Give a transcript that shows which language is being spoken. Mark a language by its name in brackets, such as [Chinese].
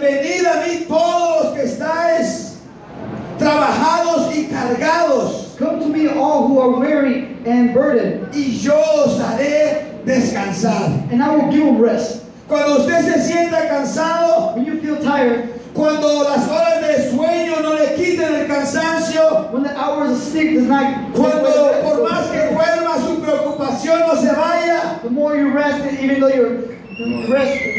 [Spanish] Venid a mí todos los que estáis trabajados y cargados. [English] Come to me all who are weary and burdened. [Spanish] Y yo os haré descansar. [English] And I will give rest. [Spanish] Cuando usted se sienta cansado. [English] When you feel tired. [Spanish] Cuando las horas de sueño no le quiten el cansancio. [English] When the hours of sleep does not. [Spanish] Cuando por más que duerma su preocupación no se vaya. [English] The more you rest, even though you rest.